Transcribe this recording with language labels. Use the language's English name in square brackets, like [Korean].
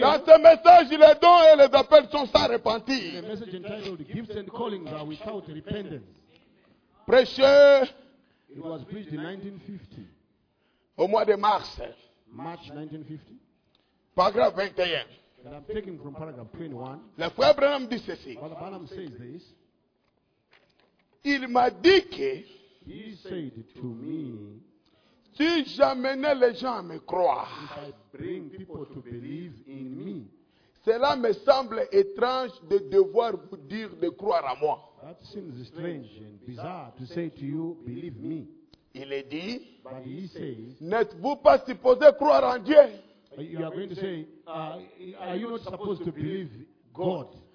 [French] Dans ce message, les dons et les appels sont sans repentir. [English] The message entitled Gifts and Callings are without repentance. [French] Prêcheur. [English] It was preached in 1950. [French] Au mois de mars. [English] March 1950. [French] Paragraphe 21. [English] And I'm taking from paragraph 21. [French] Le frère Branham dit ceci. [English] Brother Branham says this. [French] Il m'a dit que. [English] He said to me. [French] Si j'amenais les gens à me croire, [English] if I bring people to believe in me, [French] cela me semble étrange de devoir vous dire de croire à moi. [English] That seems strange and bizarre to say to you, believe me. [French] Il est dit, [English] but he says, [French] n'êtes-vous pas supposé croire en Dieu? [English] You are going to say, are you not supposed to believe God?